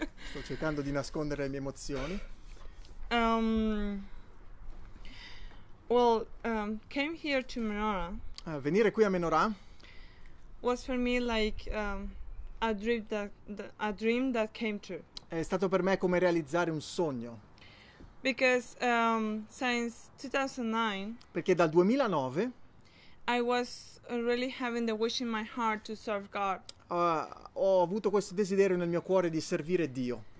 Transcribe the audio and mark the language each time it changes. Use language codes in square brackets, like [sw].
[it] Sto cercando di nascondere le mie emozioni. [en] Came here to Menorah. [it] Venire qui a Menorah [en] was for me like a dream that came true. [it] È stato per me come realizzare un sogno. [en] Because since 2009, [it] perché dal 2009 [en] I was really having the wish in my heart to serve God. [it] Ho avuto questo desiderio nel mio cuore di servire Dio.